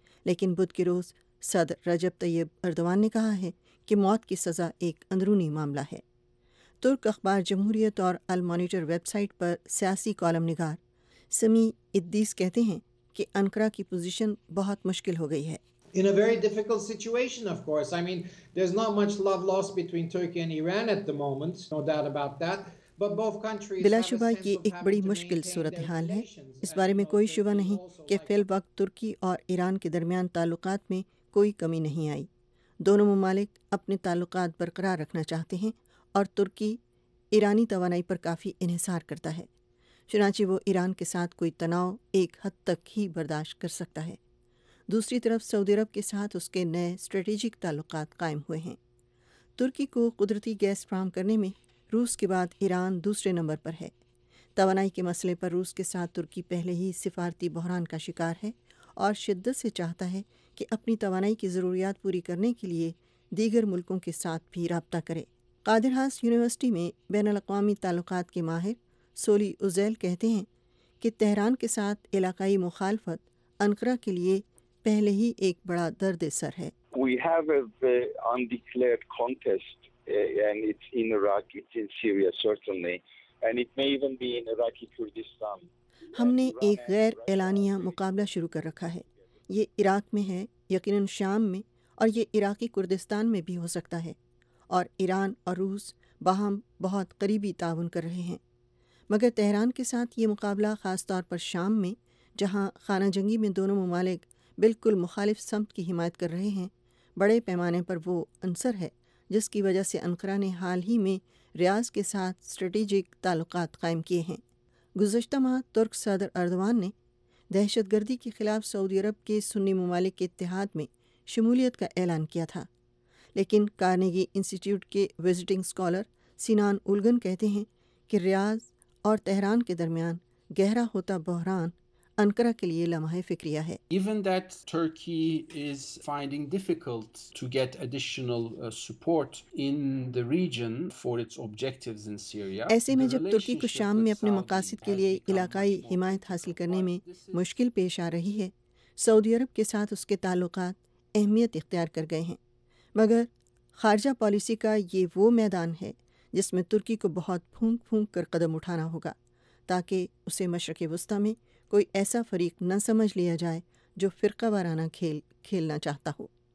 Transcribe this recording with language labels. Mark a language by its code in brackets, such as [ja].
[ur] لیکن بدھ کے روز صدر رجب طیب اردوان نے کہا ہے کہ موت کی سزا ایک اندرونی معاملہ ہے۔ ترک اخبار جمہوریت اور المونیٹر ویب سائٹ پر سیاسی کالم نگار سمی ادیس کہتے ہیں کہ انقرہ کی پوزیشن بہت مشکل ہو گئی ہے۔ [en] In a very difficult situation, of course. I mean, there's not much love lost between Turkey and Iran at the moment, no doubt about that. But both countries [ur] بلا شبہ یہ ایک بڑی مشکل صورتحال ہے۔ اس بارے میں کوئی شبہ نہیں کہ فی الوقت ترکی اور ایران کے درمیان تعلقات میں کوئی کمی نہیں آئی۔ دونوں ممالک اپنے تعلقات برقرار رکھنا چاہتے ہیں اور ترکی ایرانی توانائی پر کافی انحصار کرتا ہے، چنانچہ وہ ایران کے ساتھ کوئی تناؤ ایک حد تک ہی برداشت کر سکتا ہے۔ دوسری طرف سعودی عرب کے ساتھ اس کے نئے اسٹریٹجک تعلقات قائم ہوئے ہیں۔ ترکی کو قدرتی گیس فراہم کرنے میں روس کے بعد ایران دوسرے نمبر پر ہے۔ توانائی کے مسئلے پر روس کے ساتھ ترکی پہلے ہی سفارتی بحران کا شکار ہے اور شدت سے چاہتا ہے کہ اپنی توانائی کی ضروریات پوری کرنے کے لیے دیگر ملکوں کے ساتھ بھی رابطہ کرے۔ قادر حاس یونیورسٹی میں بین الاقوامی تعلقات کے ماہر سولی ازیل کہتے ہیں کہ تہران کے ساتھ علاقائی مخالفت انقرہ کے لیے پہلے ہی ایک بڑا درد سر ہے۔ [en] We have an undeclared contest and it's in Iraq, it's in Syria certainly, and it may even be in Iraqi Kurdistan. [ur] ہم نے ایک غیر اعلانیہ مقابلہ شروع کر رکھا ہے، یہ عراق میں ہے، یقیناً شام میں، اور یہ عراقی کردستان میں بھی ہو سکتا ہے، اور ایران اور روس باہم بہت قریبی تعاون کر رہے ہیں، مگر تہران کے ساتھ یہ مقابلہ خاص طور پر شام میں، جہاں خانہ جنگی میں دونوں ممالک بالکل مخالف سمت کی حمایت کر رہے ہیں، بڑے پیمانے پر وہ عنصر ہے جس کی وجہ سے انقرہ نے حال ہی میں ریاض کے ساتھ اسٹریٹجک تعلقات قائم کیے ہیں۔ گزشتہ ماہ ترک صدر اردوان نے دہشت گردی کے خلاف سعودی عرب کے سنی ممالک کے اتحاد میں شمولیت کا اعلان کیا تھا، لیکن کارنگی انسٹیٹیوٹ کے وزٹنگ اسکالر سینان الگن کہتے ہیں کہ ریاض اور تہران کے درمیان گہرا ہوتا بحران انکرا کے لیے لمحہ فکریہ ہے. [en] Even that Turkey is finding difficult to get additional support in the region for its objectives in Syria. [ur] ایسے میں جب ترکی کو شام میں اپنے مقاصد کے لیے علاقائی حمایت حاصل کرنے میں مشکل پیش آ رہی ہے, سعودی عرب کے ساتھ اس کے تعلقات اہمیت اختیار کر گئے ہیں. مگر خارجہ پالیسی کا یہ وہ میدان ہے جس میں ترکی کو بہت پھونک پھونک کر قدم اٹھانا ہوگا تاکہ اسے مشرق وسطی میں کوئی ایسا فریق نہ سمجھ لیا جائے جو فرقہ وارانہ کھیل کھیلنا چاہتا ہو.